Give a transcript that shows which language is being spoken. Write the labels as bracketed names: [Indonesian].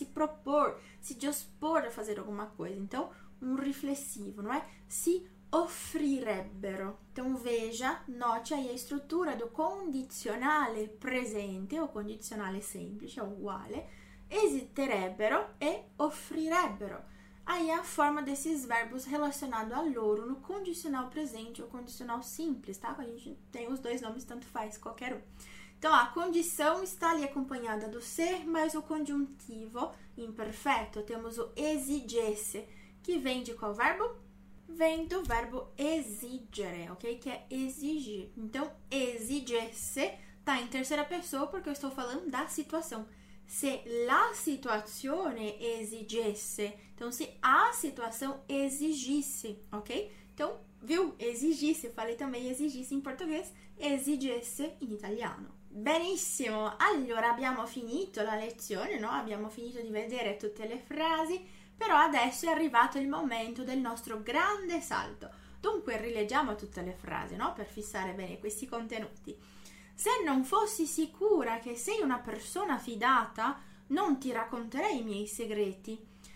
[Portuguese] Se propor, se dispor a fazer alguma coisa. Então, um riflessivo, não é? [Italian] Si offrirebbero. [Portuguese] Então, veja, note aí a estrutura do condizionale presente, o condizionale semplice, o uguale, esiterebbero e offrirebbero. Aí é a forma desses verbos relacionado a loro no condicional presente ou condicional simples, tá? A gente tem os dois nomes, tanto faz, qualquer um. Então, a condição está ali acompanhada do se, mais o conjuntivo imperfeito. Temos o esigesse, que vem de qual verbo? Vem do verbo exigere, ok? Que é exigir. Então, esigesse tá em terceira pessoa porque eu estou falando da situação. [Italian] Se la situazione esigesse, [Portuguese] então se a situação esigisse, ok? Então, viu? Esigisse, falei também esigisse em português, esigesse in italiano. [Italian] Benissimo, allora abbiamo finito la lezione, no? Abbiamo finito di vedere tutte le frasi, però adesso è arrivato il momento del nostro grande salto. Dunque, rileggiamo tutte le frasi, no? Per fissare bene questi contenuti. Se non fossi sicura che sei una persona fidata, non ti racconterei i miei segreti.